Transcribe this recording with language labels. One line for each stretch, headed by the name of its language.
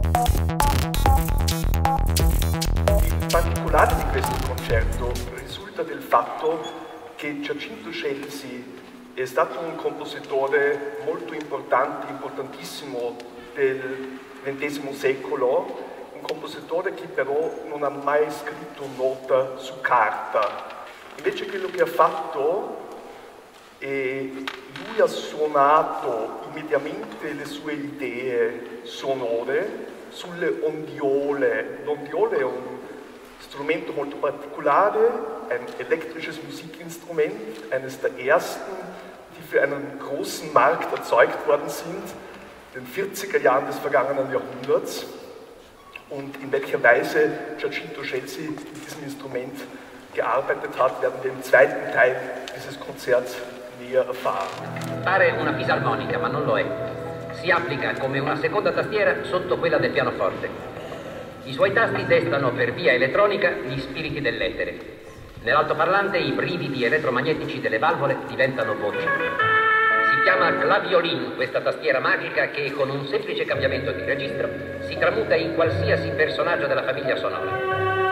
Italian: Il particolare di questo concerto risulta del fatto che Giacinto Scelsi è stato un compositore molto importante, importantissimo del XX secolo, un compositore che però non ha mai scritto nota su carta. Invece quello che ha fatto è lui ha suonato immediatamente le sue idee sonore sulle ondiole. L'ondiole è un strumento molto particolare,
German: ein elektrisches Musikinstrument, eines der ersten, die für einen großen Markt erzeugt worden sind, in den 40er Jahren des vergangenen Jahrhunderts. Und in welcher Weise Giacinto Scelsi mit diesem Instrument gearbeitet hat, werden wir im zweiten Teil dieses Konzerts näher erfahren.
Italian: Pare una fisarmonica, ma non lo è. Si applica come una seconda tastiera sotto quella del pianoforte. I suoi tasti destano per via elettronica gli spiriti dell'etere. Nell'altoparlante i brividi elettromagnetici delle valvole diventano voci. Si chiama claviolin questa tastiera magica che con un semplice cambiamento di registro si tramuta in qualsiasi personaggio della famiglia sonora.